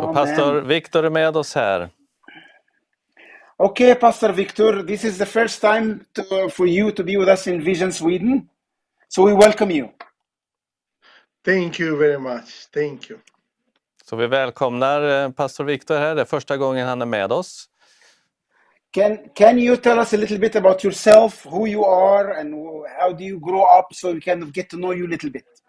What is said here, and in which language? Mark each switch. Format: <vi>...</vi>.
<sv>Så Pastor Viktor är med oss här.</sv> <en>Okay, Pastor Viktor, this is the first time for you to be with us in Vision Sweden. So we welcome you. Thank you very much. Thank you.</en> <sv>Så vi välkomnar pastor Viktor här. Det är första gången han är med oss.</sv> <en>Can you tell us a little bit about yourself, who you are and how do you grow up so we can get to know you a little bit?</en>